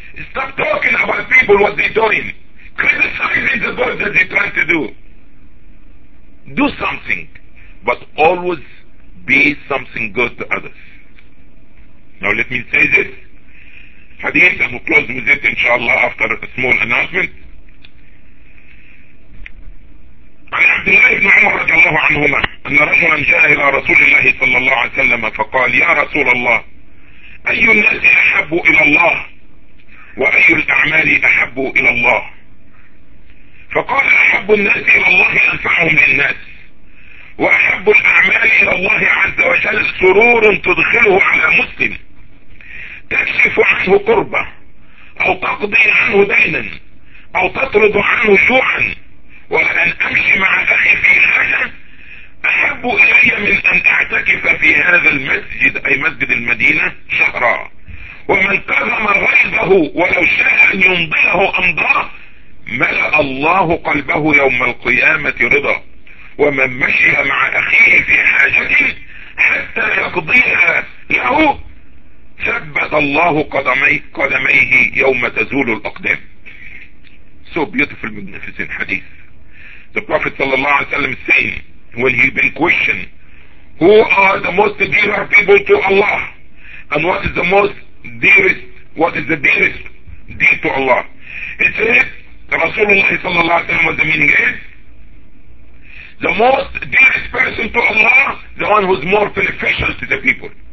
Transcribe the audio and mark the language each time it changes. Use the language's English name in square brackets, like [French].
[English] Stop talking about people, what they're doing. Criticizing the good that they're trying to do. Do something, but always be something good to others. Now let me say this. Hadith, and we'll close with it, inshallah, after a small announcement. [Arabic] عن عبد الله بن عمر رضي الله عنهما أن رجلا جاء إلى رسول الله صلى الله عليه وسلم فقال يا رسول الله أي الناس أحب إلى الله وأي الأعمال أحب إلى الله؟ فقال أحب الناس إلى الله أنفعهم للناس، وأحب الأعمال إلى الله عز وجل سرور تدخله على مسلم، تكشف عنه قربة أو تقضي عنه دينا أو تطرد عنه شوعا. وأن أمشي مع أخي في حاجة أحب إلي من أن أعتكف في هذا المسجد، أي مسجد المدينة، شهرا. ومن كظم غيظه ولو شاء أن ينضله أمضاه ملأ الله قلبه يوم القيامة رضا. ومن مشي مع أخيه في حاجة حتى يقضيها له ثبت الله قدميه يوم تزول الأقدام. [English] So beautiful, magnificent hadith. The Prophet صلى الله عليه وسلم saying, when he been questioned, who are the most dear people to Allah, and what is the most dearest, what is the dearest dear to Allah, he said, Rasulullah صلى الله عليه وسلم, what the meaning is, the most dearest person to Allah, the one who is more beneficial to the people.